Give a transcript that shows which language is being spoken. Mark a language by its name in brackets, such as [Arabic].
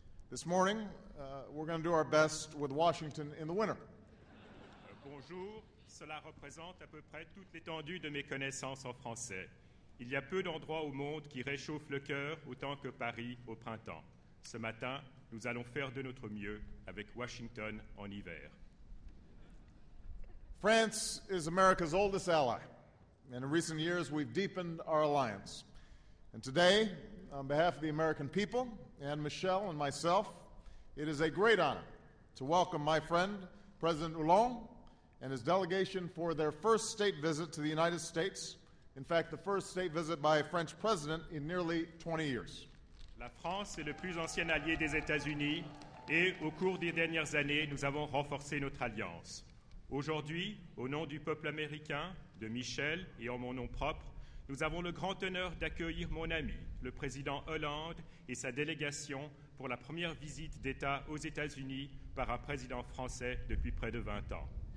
[English] This morning, we're going to do our best with Washington in the winter. [French] Bonjour. Cela représente à peu près toute l'étendue de mes connaissances en français. Il y a peu d'endroits au monde qui réchauffent le cœur autant que Paris au printemps. Ce matin, nous allons faire de notre mieux avec Washington en hiver. [English] France is America's oldest ally. In recent years, we've deepened our alliance. And today, on behalf of the American people, and Michelle and myself, it is a great honor to welcome my friend, President Hollon, and his delegation for their first state visit to the United States, in fact, the first state visit by a French president in nearly 20 years. [French] La France est le plus ancien allié des États-Unis, et au cours des dernières années, nous avons renforcé notre alliance. Aujourd'hui, au nom du peuple américain, de Michel et en mon nom propre, nous avons le grand honneur d'accueillir mon ami, le président Hollande et sa délégation pour la première visite d'État aux États-Unis par un président français depuis près de 20 ans.